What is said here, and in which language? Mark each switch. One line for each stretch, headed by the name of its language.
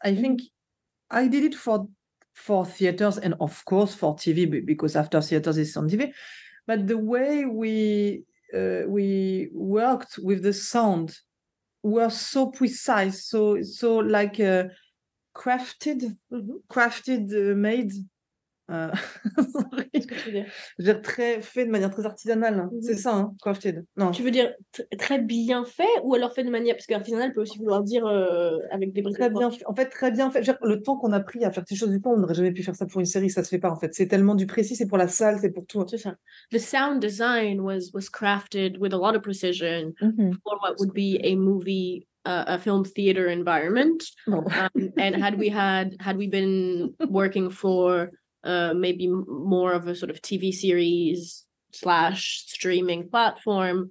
English: I think I did it for theaters and of course for TV, because after theaters is on TV. But the way we worked with the sound were so precise, so like crafted, made. Sorry.
French: Je très fait de manière très artisanale, mm-hmm. C'est ça, hein, crafted. Non. Tu veux dire très bien fait ou alors fait de manière, parce que artisanale peut aussi vouloir dire avec des briques. Très bien, en fait, très bien fait. Le temps qu'on a pris à faire ces choses du pont, on n'aurait jamais pu faire ça pour une série, ça se fait pas en fait. C'est tellement du précis, c'est pour la salle, c'est pour tout. C'est ça.
English: The sound design was crafted with a lot of precision, mm-hmm. for what would be a movie. A film theater environment, and had we been working for maybe more of a sort of TV series / streaming platform,